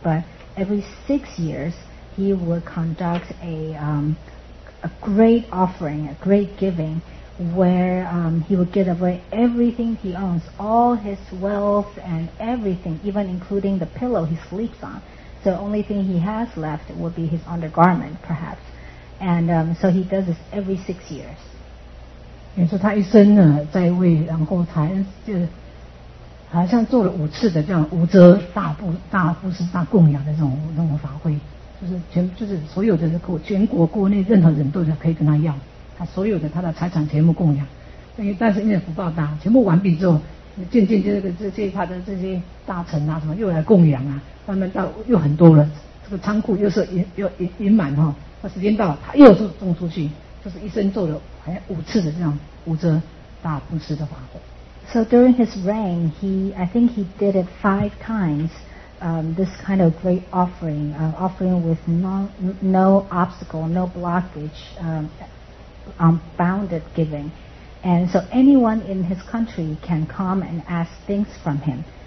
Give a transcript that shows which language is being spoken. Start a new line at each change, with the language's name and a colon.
English: But every 6 years, he would conduct a great offering, a great giving, where he would give away everything he owns, all his wealth and everything, even including the pillow he sleeps on. So the only thing he has left would be his undergarment, perhaps. And so he does this every 6 years.
Chinese: 也是他一生呢在位，然后才就好像做了五次的这样无遮大布施大供养的这种法会，就是所有的全国国内任何人都可以跟他要，他所有的他的财产全部供养。但是因为福报大，全部完毕之后，渐渐这些他的这些大臣啊什么又来供养啊，慢慢到又很多了，这个仓库又是盈满哈。时间到了，他又是送出去，就是一生做了好像五次的这样无遮大布施的法会。
English: So during his reign, I think he did it 5 times. This kind of great offering, offering with no obstacle, no blockage, unbounded giving. And so anyone in his country can come and ask things from him.